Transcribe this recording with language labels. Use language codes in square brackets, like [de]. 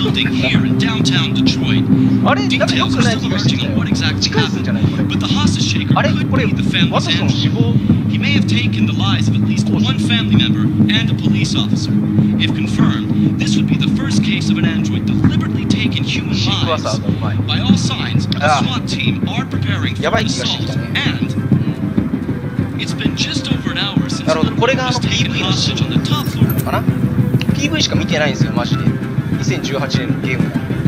[ja] あれ、なんか良くない気がしてきたよ。近いすんじゃないこれ。あれ、これ、ワトソン死亡。 [en] He may have taken the lives of at least one family member and a police officer. If confirmed, this would be the first case of an android deliberately taking human lives. By all signs, the SWAT team are preparing for an assault. And it's been just over an hour since the group was taken hostage on the top floor. [ja] なるほど、これがPV しか見てないんですよ、マジで。2018年のゲームだ。